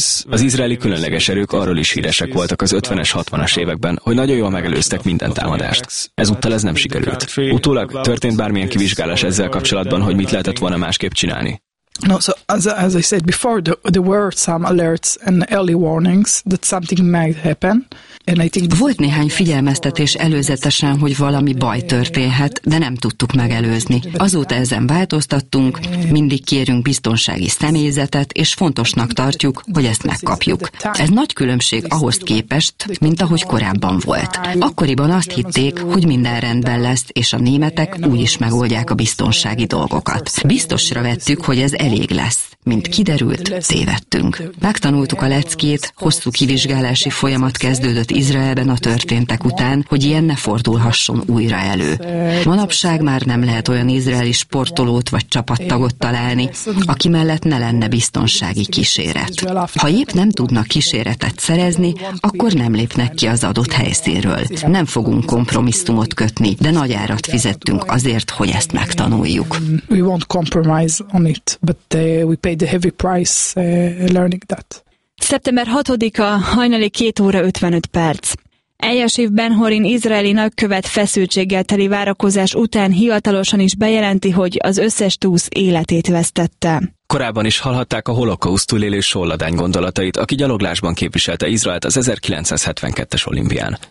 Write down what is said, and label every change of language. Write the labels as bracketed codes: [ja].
[hu] Az izraeli különleges erők arról is híresek voltak az 50-es, 60-as években, hogy nagyon jól megelőztek minden támadást. Ezúttal ez nem sikerült. Utólag történt bármilyen kivizsgálás ezzel kapcsolatban, hogy mit lehetett volna másképp csinálni? [en] No, so as I said before, there were some alerts and early warnings that something might happen. [hu] Volt néhány figyelmeztetés előzetesen, hogy valami baj történhet, de nem tudtuk megelőzni. Azóta ezen változtattunk, mindig kérünk biztonsági személyzetet, és fontosnak tartjuk, hogy ezt megkapjuk. Ez nagy különbség ahhoz képest, mint ahogy korábban volt. Akkoriban azt hitték, hogy minden rendben lesz, és a németek úgy is megoldják a biztonsági dolgokat. Biztosra vettük, hogy ez elég lesz. Mint kiderült, tévedtünk. Megtanultuk a leckét, hosszú kivizsgálási folyamat kezdődött Izraelben a történtek után, hogy ilyen ne fordulhasson újra elő. Manapság már nem lehet olyan izraeli sportolót vagy csapattagot találni, aki mellett ne lenne biztonsági kíséret. Ha épp nem tudnak kíséretet szerezni, akkor nem lépnek ki az adott helyszínről. Nem fogunk kompromisszumot kötni, de nagy árat fizettünk azért, hogy ezt megtanuljuk. [en] We won't compromise on it, but we paid a heavy price learning that. [hu] Szeptember 6-a, hajnali 2 óra 55 perc. Eljasiv Ben Horin izraeli nagykövet feszültséggel teli várakozás után hivatalosan is bejelenti, hogy az összes túsz életét vesztette. Korábban is hallhatták a holokauszt túlélő Sol Ladány gondolatait, aki gyaloglásban képviselte Izraelt az 1972-es olimpián.